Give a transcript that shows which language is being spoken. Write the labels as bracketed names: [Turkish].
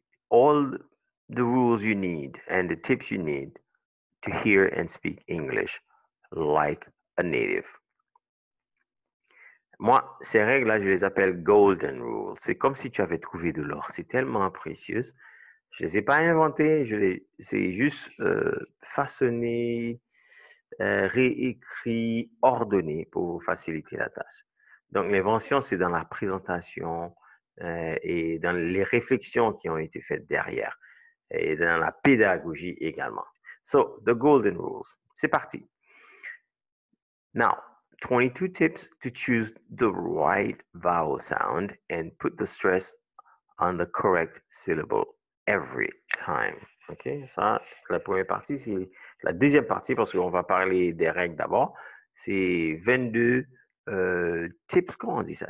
[English] All the rules you need and the tips you need to hear and speak English like a native. [French] Moi, ces règles-là, je les appelle « golden rules ». C'est comme si tu avais trouvé de l'or. C'est tellement précieux. Je ne les ai pas inventées. Je les ai juste façonnées, réécrites, ordonnées pour faciliter la tâche. Donc, l'invention, c'est dans la présentation et dans les réflexions qui ont été faites derrière et dans la pédagogie également. [English] So, the golden rules. [French] C'est parti. [English] Now, 22 tips to choose the right vowel sound and put the stress on the correct syllable every time. [French] OK, ça, la première partie, c'est la deuxième partie parce qu'on va parler des règles d'abord. C'est 22 tips, comment on dit ça?